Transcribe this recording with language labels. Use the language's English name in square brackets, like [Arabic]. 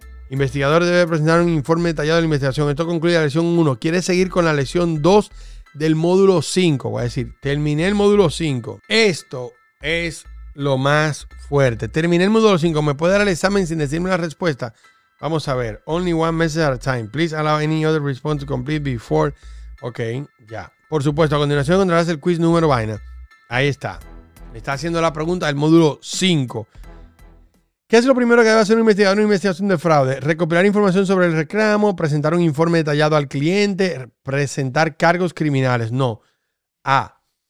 [Spanish] Investigador debe presentar un informe detallado de la investigación. Esto concluye la lección 1. ¿Quieres seguir con la lección 2 del módulo 5? Voy a decir, terminé el módulo 5. Esto es lo más fuerte. Terminé el módulo 5. ¿Me puede dar el examen sin decirme la respuesta? Vamos a ver. [English] Only one message at a time. Please allow any other response to complete before. [Spanish] Ok, ya. Por supuesto, a continuación encontrarás el quiz número vaina. Ahí está. Me está haciendo la pregunta del módulo 5. ¿Qué es lo primero que debe hacer un investigador en una investigación de fraude? Recopilar información sobre el reclamo, presentar un informe detallado al cliente, presentar cargos criminales. No. A.